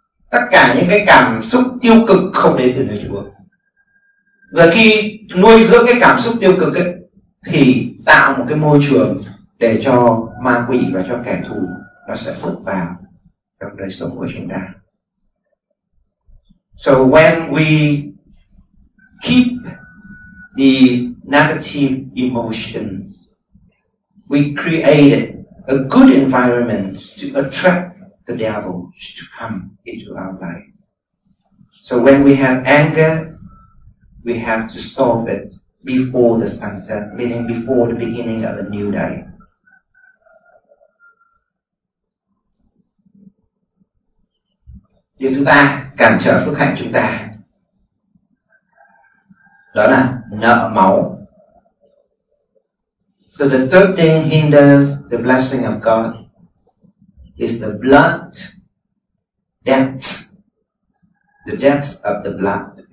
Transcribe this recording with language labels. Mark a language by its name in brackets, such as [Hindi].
[Vietnamese] Tất cả những cái cảm xúc tiêu cực không đến từ nơi Chúa. Và khi nuôi dưỡng cái cảm xúc tiêu cực ấy, thì tạo một cái môi trường để cho ma quỷ và cho kẻ thù nó sẽ bước vào trong đời sống của chúng ta. [English] So when we keep the negative emotions, we create a good environment to attract the devil to come into our life. So when we have anger, we have to solve it before the sunset, meaning before the beginning of a new day. [Vietnamese] Điều thứ ba cản trở phước hạnh chúng ta đó là nợ máu. [English] So the third thing hinders the blessing of God is the blood debt, the debt of the blood.